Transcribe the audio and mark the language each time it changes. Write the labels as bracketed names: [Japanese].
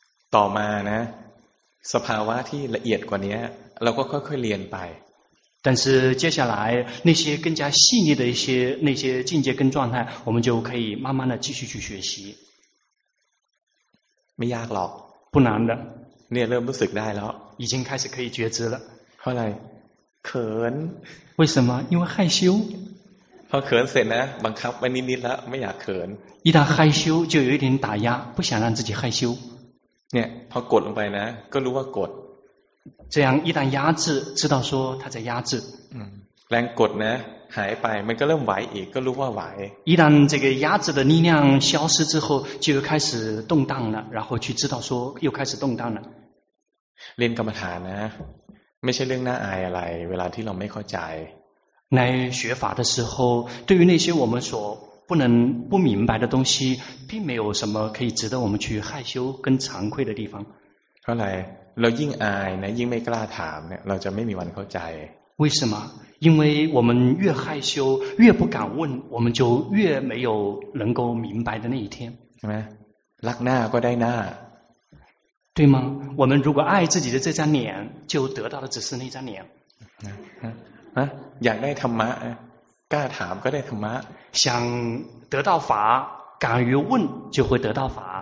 [Thai] ต่อมานะสภาวะที่ละเอียดกว่านี้เราก็ค่อยๆเรียนไป [Chinese] 但是接下来那些更加细腻的那些境界跟状态我们就可以慢慢的继续去学习 [Thai] ไม่ยากหรอก [Chinese] 不难的 [Thai] เนี่ยเริ่มรู้สึกได้แล้ว [Chinese] 已经开始可以觉知了 [Thai] เพราะอะไรเขิน [Chinese] 为什么因为害羞 [Thai] พอเขินเสร็จนะบังคับไว้นิดๆแล้วไม่อยากเขิน [Chinese] 一旦害羞就有一点打压不想让自己害羞 [Thai] เนี่ยพอกดลงไปนะก็รู้ว่ากด [Chinese] 这样一旦压制知道说他在压制 [Thai] แรงกดนะ 还摆没个人歪一个路外歪 [Chinese] 一旦这个压制的力量消失之后就开始动荡了然后去知道说又开始动荡了 [Thai] 练กรรมฐานนะไม่ใช่เรื่องน่าอายอะไรเวลาที่เราไม่เข้าใจ [Chinese] 来学法的时候对于那些我们所不能不明白的东西并没有什么可以值得我们去害羞跟惭愧的地方 [Thai] เพราะอะไรเรายิ่งอายนะยิ่งไม่กล้าถามเนี่ยเราจะไม่มีวันเข้าใจ [Chinese] 为什么因为我们越害羞越不敢问我们就越没有能够明白的那一天 [Thai] ใช่ไหมรักหน้าก็ได้หน้า [Chinese] 对吗我们如果爱自己的这张脸就得到的只是那张脸 [Thai] อยากได้ธรรมะกล้าถามก็ได้ธรรมะ [Chinese] 想得到法敢于问就会得到法